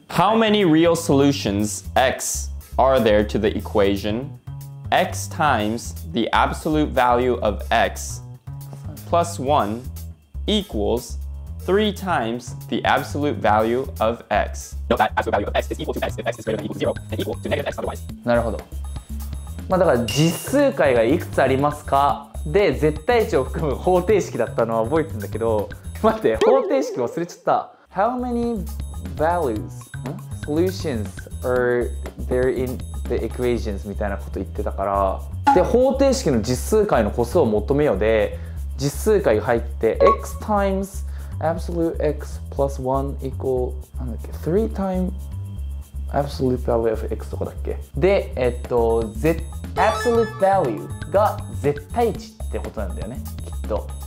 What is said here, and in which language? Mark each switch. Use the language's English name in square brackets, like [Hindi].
[English] How many real solutions x are there to the equation x times the absolute value of x plus 1 equals 3 times the absolute value of x? Note that absolute value of x is equal to x if x is greater than equal to 0 and equal to negative x otherwise. [Japanese] なるほど。まあだから実数解がいくつありますかで絶対値を含む方程式だったのは覚えてるんだけど、待って、方程式忘れちゃった。 [English] How many values, solutions are there in the equations? [Japanese] みたいなこと言ってたから。で、方程式の実数解の個数を求めようで、実数解が入って、 [English] x times absolute x plus 1 equal, [Japanese] なんだっけ、 [English] 3 times absolute value of x [Japanese] とかだっけ。で、absolute value が絶対値ってことなんだよね、きっと。